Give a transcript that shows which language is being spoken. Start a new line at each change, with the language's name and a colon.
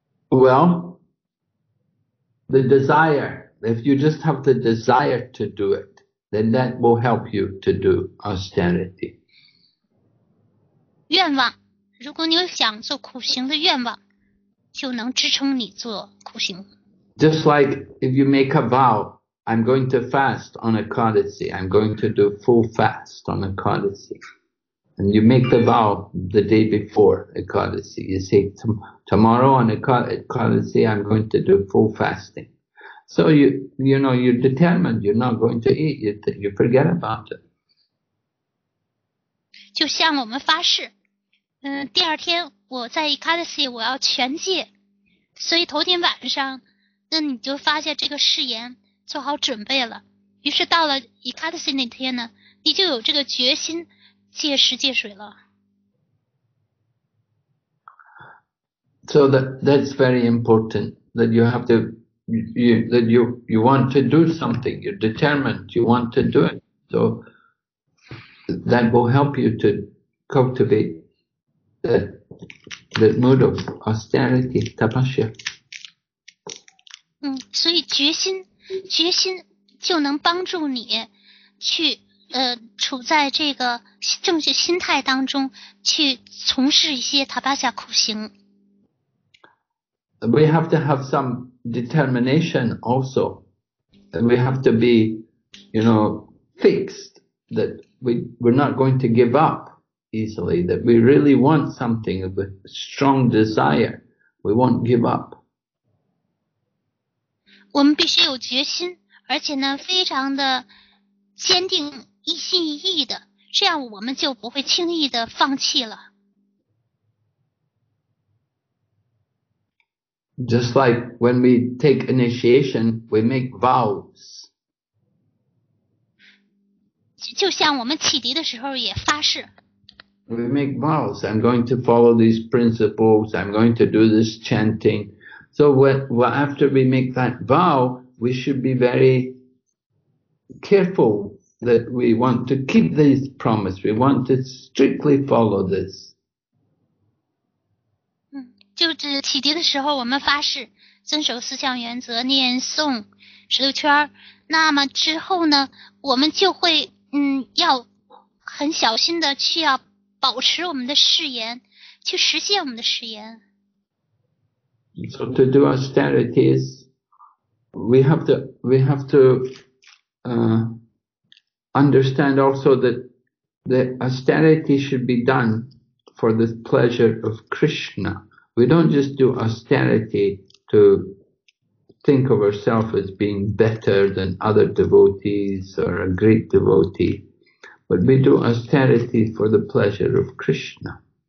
English: Well, the desire, if you just have the desire to do it, then that will help you to do austerity.
Chinese: 愿望，如果你有想做苦行的愿望，就能支撑你做苦行。
English: Just like if you make a vow,I'm going to fast on a codicy. I'm going to do full fast on a codicy. And you make the vow the day before a codicy. You say, tomorrow on a codicy, I'm going to do full fasting. So you know, you're determined. You're not going to eat. You forget about it.
Chinese: 就向我们发誓，第二天我在伊卡德西我要全戒。所以头天晚上，那你就发下这个誓言，做好准备了。于是到了伊卡德西那天呢，你就有这个决心戒食戒水了。
English: So that's very important that you have to you want to do something. You're determined. You want to do it. So that will help you to cultivate the mood of austerity, tapasya.
Chinese: 所以决心就能帮助你去处在这个正确心态当中去从事一些tapasya苦行。
English: We have to have some determination also. We have to be, you know, fixed that we're not going to give up easily, that we really want something of a strong desire. We won't give up.
Chinese: 我们必须有决心，而且呢，非常的坚定，一心一意的，这样我们就不会轻易的放弃了。
English: Just like when we take initiation, we make vows.
Chinese: 就像我们启迪的时候也发誓。
English: We make vows. I'm going to follow these principles. I'm going to do this chanting. So after we make that vow, we should be very careful that we want to keep this promise. We want to strictly follow this.
Chinese: 就是启迪的时候我们发誓遵守四项原则念诵十六圈，那么之后呢我们就会要很小心的去要保持我们的誓言，去实现我们的誓言。
English: So to do austerities we have to understand also that the austerity should be done for the pleasure of KrishnaWe don't just do austerity to think of ourselves as being better than other devotees or a great devotee, but we do austerity for the pleasure of Krishna.